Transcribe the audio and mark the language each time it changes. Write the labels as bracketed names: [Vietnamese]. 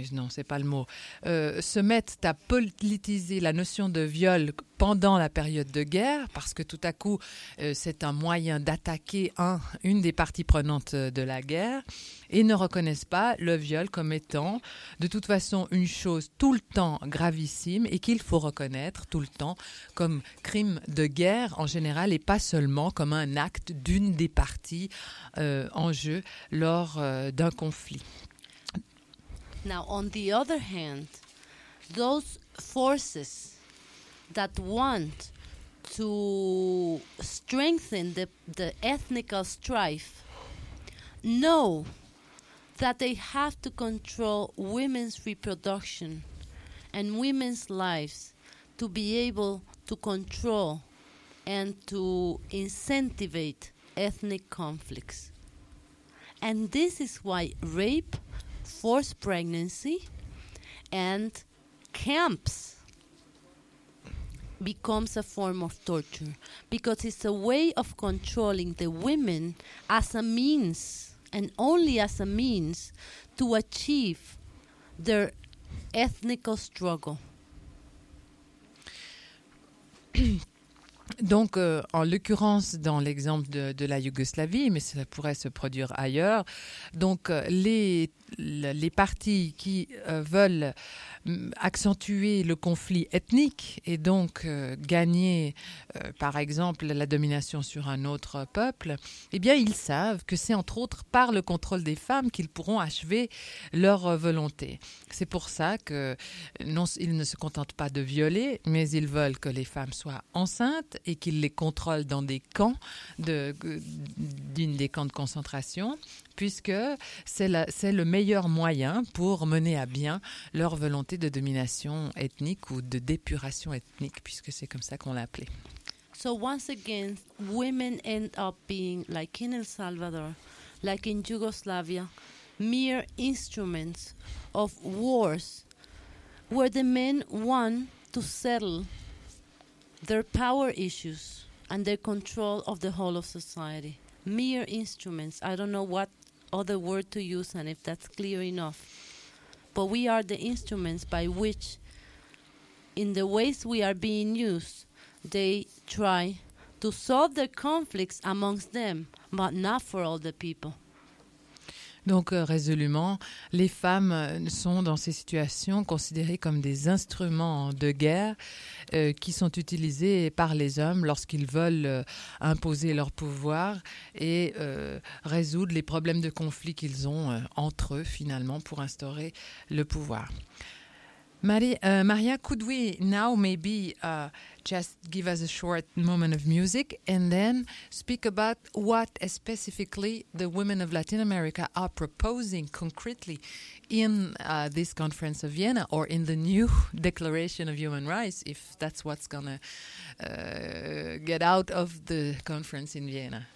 [French] se mettent à politiser la notion de viol pendant la période de guerre, parce que tout à coup, c'est un moyen d'attaquer une des parties prenantes de la guerre, et ne reconnaissent pas le viol comme étant, de toute façon, une chose tout le temps gravissime, et qu'il faut reconnaître tout le temps comme crime de guerre en général, et pas seulement comme un acte d'une des parties en jeu lors d'un conflit. [English] Now, on the other hand, those forces that want to strengthen the ethnical strife know that they have to control women's reproduction and women's lives to be able to control and to incentivize ethnic conflicts. And this is why rape, forced pregnancy, and camps becomes a form of torture, because it's a way of controlling the women as a means, and only as a means, to achieve their ethnical struggle. [French] Donc, en l'occurrence, dans l'exemple de la Yougoslavie, mais ça pourrait se produire ailleurs, donc les partis qui veulent accentuer le conflit ethnique et donc gagner, par exemple, la domination sur un autre peuple, eh bien, ils savent que c'est entre autres par le contrôle des femmes qu'ils pourront achever leur volonté. C'est pour ça qu'ils ne se contentent pas de violer, mais ils veulent que les femmes soient enceintes et qu'ils les contrôlent dans des camps, d'une des camps de concentration, puisque c'est le meilleur moyen pour mener à bien leur volonté de domination ethnique ou de dépuration ethnique, puisque c'est comme ça qu'on l'appelait. [English] So once again, women end up being, like in El Salvador, like in Yugoslavia, mere instruments of wars, where the men want to settle their power issues and their control of the whole of society. Mere instruments. I don't know what other word to use and if that's clear enough. But we are the instruments by which, in the ways we are being used, they try to solve their conflicts amongst them, but not for all the people. [French] Donc, résolument, les femmes sont dans ces situations considérées comme des instruments de guerre qui sont utilisés par les hommes lorsqu'ils veulent imposer leur pouvoir et résoudre les problèmes de conflit qu'ils ont entre eux, finalement, pour instaurer le pouvoir. [English] Maria, could we now maybe just give us a short moment of music and then speak about what specifically the women of Latin America are proposing concretely in this conference of Vienna or in the new Declaration of Human Rights, if that's what's going to get out of the conference in Vienna.